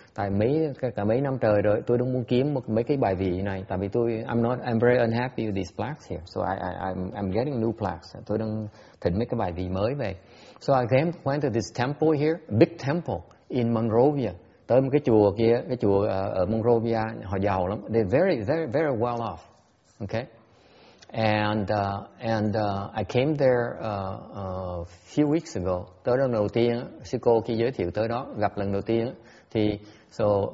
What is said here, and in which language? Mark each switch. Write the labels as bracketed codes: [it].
[vi] Tại cả mấy năm trời rồi, tôi đang muốn kiếm mấy cái bài vị này. Tại vì [en] I'm very unhappy with these plaques here. So I'm getting new plaques. [vi] Tôi đang thỉnh mấy cái bài vị mới về. [en] So I went to this temple here, big temple in Monrovia. [vi] Tới một cái chùa kia, cái chùa ở Monrovia, họ giàu lắm. [en] They're very, very, very well off. Okay. And I came there a few weeks ago. [vi] Tới lần đầu tiên, sư cô kia giới thiệu tới đó, gặp lần đầu tiên. Thì, so,